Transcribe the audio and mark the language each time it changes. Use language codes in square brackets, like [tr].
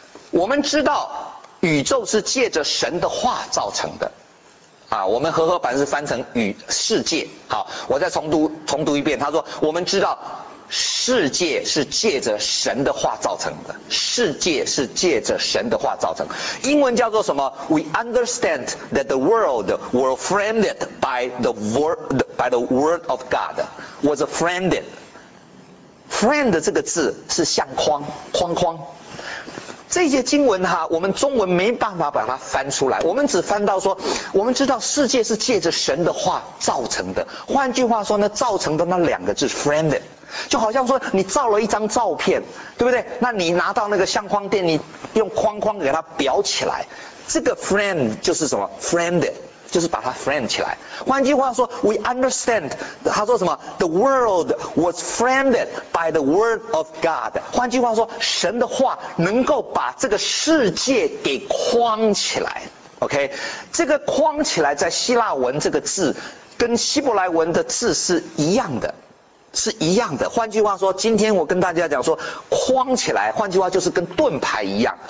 [zh] 我们知道宇宙是借着神的话造成的，啊，我们和合本是翻成与世界。好，我再重读一遍。他说，我们知道世界是借着神的话造成的，世界是借着神的话造成。英文叫做什么 [en] ？We understand that the world was framed by the word of God was framed. [zh] Framed 这个字是相框框框。这些经文哈，我们中文没办法把它翻出来，我们只翻到说，我们知道世界是借着神的话造成的。换句话说呢，造成的那两个字 framed， 就好像说你照了一张照片，对不对？那你拿到那个相框店，你用框框给它裱起来，这个 framed 就是什么 framed， 就是把它 framed 起来。换句话说 [en] ，we understand， [zh] 他说什么 [en] ？The world was framed by the word of God。 [zh] 换句话说，神的话能够把这个世界给框起来。 OK， 这个框起来在希腊文这个字跟希伯来文的字是一样的，是一样的。换句话说，今天我跟大家讲说，框起来，换句话就是跟盾牌一样。